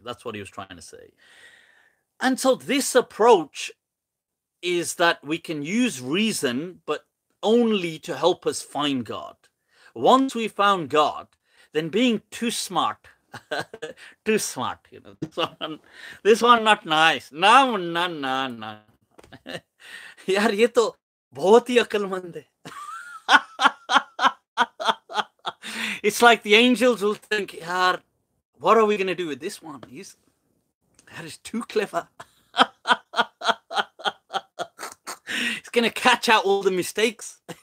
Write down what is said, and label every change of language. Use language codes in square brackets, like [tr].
[en] That's what he was trying to say. And so this approach is that we can use reason, but only to help us find God. Once we found God, then being too smart, too smart, you know, this one not nice. No. [ur] یار، یہ تو بہت ہی عقلمند ہے۔ [en] It's like the angels will think, yaar, what are we going to do with this one? That is too clever. It's going to catch out all the mistakes.